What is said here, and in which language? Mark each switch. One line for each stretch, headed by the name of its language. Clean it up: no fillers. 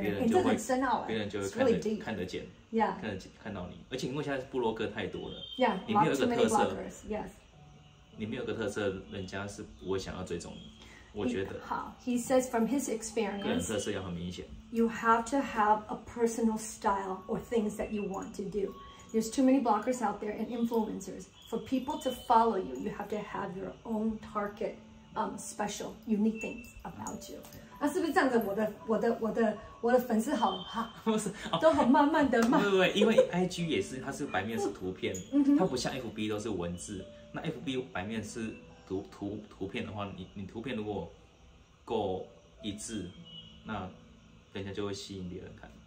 Chinese: 别人就会，这很深奥啊，别人就会
English: really deep.
Chinese: 看得见，
English: yeah.
Chinese: 看到你。而且因为现在部落格太多了，
English: yeah,
Chinese: 你没有一个特色，
English: bloggers, yes.
Chinese: 你没有个特色，人家是不会想要追踪你。我觉得。好
English: ，He says from his experience.
Chinese: 个人特色要很明显。
English: You have to have a personal style or things that you want to do. There's too many bloggers out there and influencers. For people to follow you, you have to have your own target. Special, unique things about you.
Chinese: 那是不是这样的？我的粉丝好哈，都很慢慢的慢。对对对，因为 IG 也是，它是白面是图片，它不像 FB 都是文字。那 FB 白面是图片的话，你图片如果够一致，那人家就会吸引别人看。